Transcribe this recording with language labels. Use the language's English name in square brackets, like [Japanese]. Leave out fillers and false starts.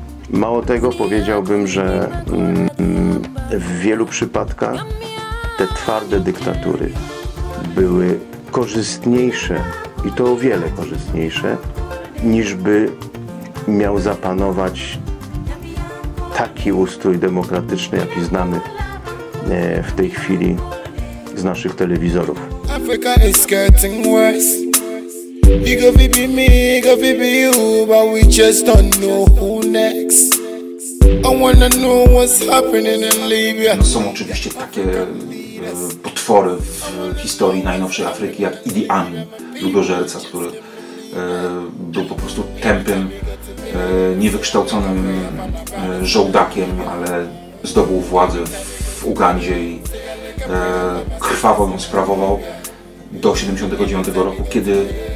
[Polish] Mało tego, powiedziałbym, że w wielu przypadkach te twarde dyktatury były korzystniejsze, i to o wiele korzystniejsze, niż by miał zapanować taki ustrój demokratyczny, jaki znamy w tej chwili z naszych telewizorów. [English] Africa is getting worse. It could be me, it could be you, but we just don't know who next. I wanna know what's happening in Libya. [Polish] Są oczywiście takie potwory w historii najnowszej Afryki, jak Idi Amin, ludożerca, który był po prostu tępym, niewykształconym żołdakiem, ale zdobył władzę w Ugandzie i krwawo ją sprawował do 79 roku, kiedy